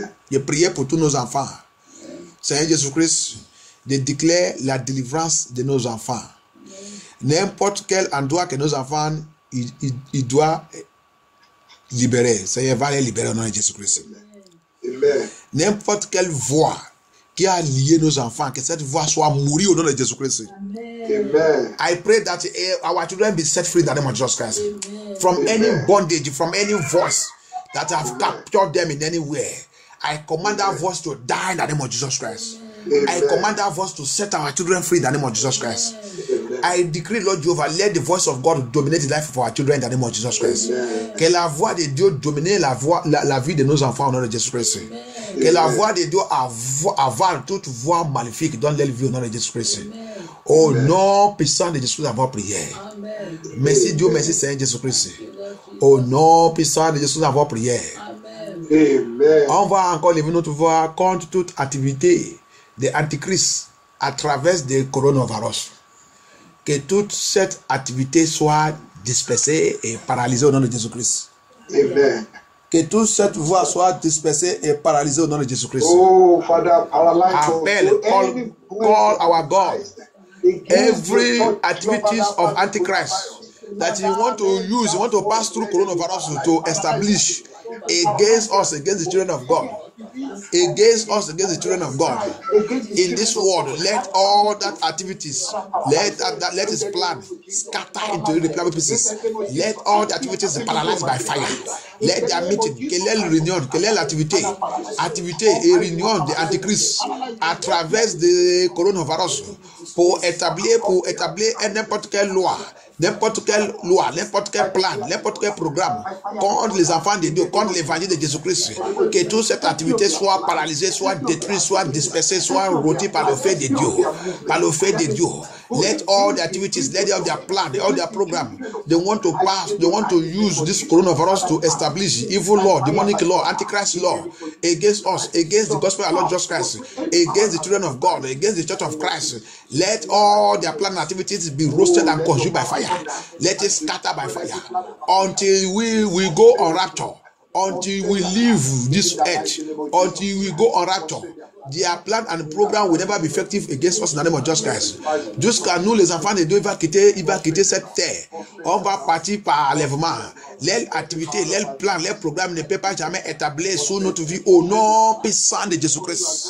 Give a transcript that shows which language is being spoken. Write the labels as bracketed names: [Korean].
[French] Je prie pour tous nos enfants. Seigneur Jésus-Christ, de déclarer la délivrance de nos enfants. N'importe quel endroit que nos enfants ils doivent libérer, Seigneur, va les libérer au nom de Jésus-Christ. Amen. N'importe quelle voix qui a lié nos enfants, que cette voix soit mourue au nom de Jésus-Christ. Amen. [English] I pray that our children be set free in the name of Jesus Christ. Amen. From any bondage, from any voice that have captured them in any way, I command that voice to die in the name of Jesus Christ. Amen. I command that voice to set our children free in the name of Jesus Christ. Amen. I decree, Lord Jehovah, let the voice of God dominate the life of our children in the name of Jesus Christ. Amen. [French] Que la voix de Dieu domine la vie de nos enfants au nom de Jésus Christ. Amen. Que la voix de Dieu avale toute voix maléfique dans leur vie au nom de Jésus Christ. Amen. Au nom puissant de Jésus Christ, avoir prié. Amen. Merci Amen. Dieu, merci Seigneur Jésus Christ. Au nom puissant de Jésus Christ, avoir prié. Amen. Amen. On va encore lever notre voix contre toute activité de l'antichrist à travers le coronavirus. Que toute cette activité soit dispersée et paralysée au nom de Jésus-Christ. Amen. Que toute cette voix soit dispersée et paralysée au nom de Jésus-Christ. [English] Oh, Father, paralyze. Call our God. Every activity of antichrist that you want to use, you want to pass through coronavirus to establish against us, against the children of God. Against us, against the children of God. In this world, let all that activities, let his plan scatter into irreparable pieces. Let all the activities be paralyzed by fire. Let their meeting, [French] quelle réunion, quelle activité et réunion de l'antichrist à travers le coronavirus pour établir n'importe quelle loi. N'importe quel plan, n'importe quel programme contre les enfants de Dieu, contre l'évangile de Jésus-Christ, que toute cette activité soit paralysée, soit détruite, soit dispersée, soit rôtie par le feu de Dieu. [English] Let all the activities, let all their plans, all their programs, they want to use this coronavirus to establish evil law, demonic law, antichrist law against us, against the gospel of Lord Jesus Christ, against the children of God, against the church of Christ. Let all their plans and activities be roasted and consumed by fire. Let it scatter by fire until we go on rapture, until we leave this earth, until we go on rapture. Their plan and program will never be effective against us in the name of Jesus Christ. [French] Jusqu'à nous, les enfants de Dieu, il va quitter cette terre. On va partir par enlèvement. Leur activité, leur plan, leur programme ne peut pas jamais établir sous notre vie au nom puissant de Jésus Christ.